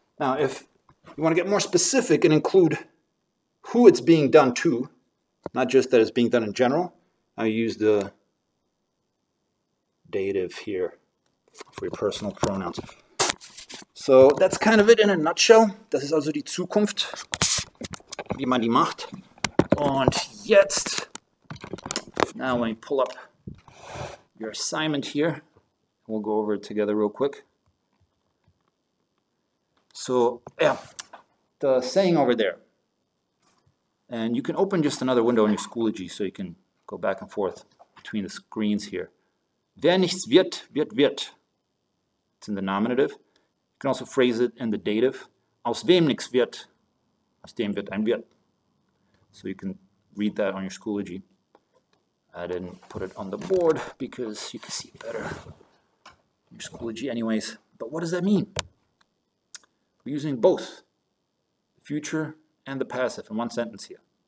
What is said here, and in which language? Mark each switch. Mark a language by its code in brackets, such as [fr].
[en] Now, if you want to get more specific and include who it's being done to, not just that it's being done in general, I use the dative here for your personal pronouns. So that's kind of it in a nutshell. [de] Das ist also die Zukunft, wie man die macht. Und jetzt, [en] now let me pull up your assignment here. We'll go over it together real quick. So, yeah, the saying over there. And you can open just another window in your Schoology so you can go back and forth between the screens here. [de] Wer nichts wird, wird, wird. [en] It's in the nominative. You can also phrase it in the dative. [de] Aus wem nichts wird, aus dem wird ein wird. [en] So you can read that on your Schoology. I didn't put it on the board because you can see it better in your Schoology anyways. But what does that mean? We're using both the future and the passive in one sentence here.